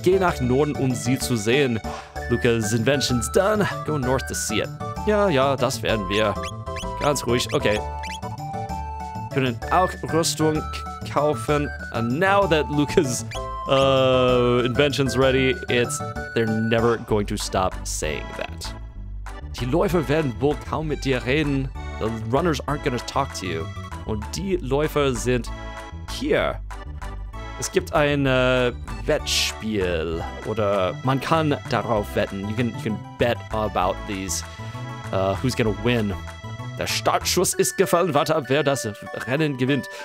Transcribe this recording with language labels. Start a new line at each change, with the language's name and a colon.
German: Geh nach Norden, um sie zu sehen.
English: Lukas' invention's done. Go north to see it.
German: Ja, das werden wir. Ganz ruhig. Okay. Können auch Rüstung kaufen.
English: And now that Lukas' invention's ready, they're never going to stop saying that.
German: Die Läufer werden wohl kaum mit dir reden.
English: The runners aren't going to talk to you.
German: Und die Läufer sind hier. Es gibt ein Wettspiel, oder man kann darauf wetten.
English: You can bet about these, who's gonna win.
German: Der Startschuss ist gefallen, warte ab, wer das Rennen gewinnt.